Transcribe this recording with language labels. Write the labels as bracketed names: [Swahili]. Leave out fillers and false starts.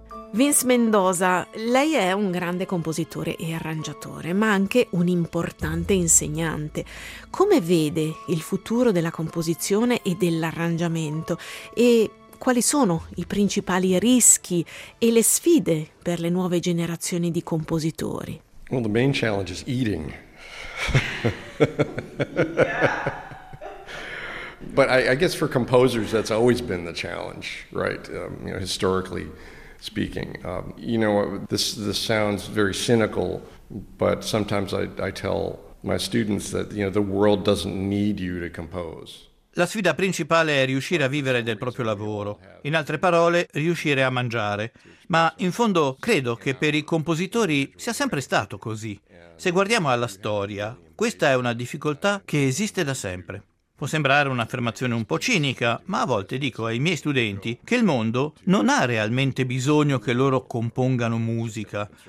[Italian] Vince Mendoza, lei è un grande compositore e arrangiatore, ma anche un importante insegnante. Come vede il futuro della composizione e dell'arrangiamento? E quali sono i principali rischi e le sfide per le nuove generazioni di compositori? [English] Well, the main challenge is eating. But I guess for composers that's always been the challenge, right? Historically speaking, this sounds very cynical, but sometimes I tell my students that the world doesn't need you to compose. [Italian] La sfida principale è riuscire a vivere del proprio lavoro, in altre parole, riuscire a mangiare. Ma in fondo credo che per i compositori sia sempre stato così. Se guardiamo alla storia, questa è una difficoltà che esiste da sempre. Può sembrare un'affermazione un po' cinica, ma a volte dico ai miei studenti che il mondo non ha realmente bisogno che loro compongano musica.